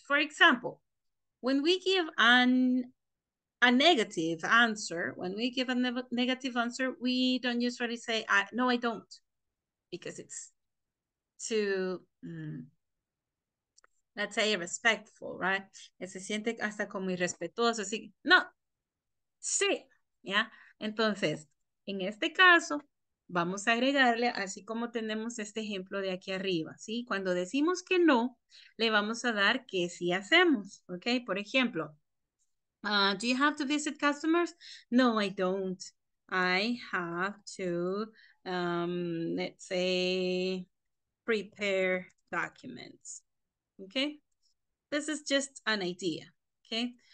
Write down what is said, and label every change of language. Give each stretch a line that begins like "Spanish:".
English: For example, when we give a negative answer, when we give a negative answer, we don't usually say, no, I don't, because it's too, let's say, respectful, right?
Spanish: Se siente hasta como irrespetuoso, así, no, sí, ¿ya? Entonces, en este caso, vamos a agregarle, así como tenemos este ejemplo de aquí arriba, ¿sí? Cuando decimos que no, le vamos a dar que sí hacemos, ¿ok? Por ejemplo,
English: do you have to visit customers? No, I don't. I have to, let's say, prepare documents. Okay? This is just an idea. Okay?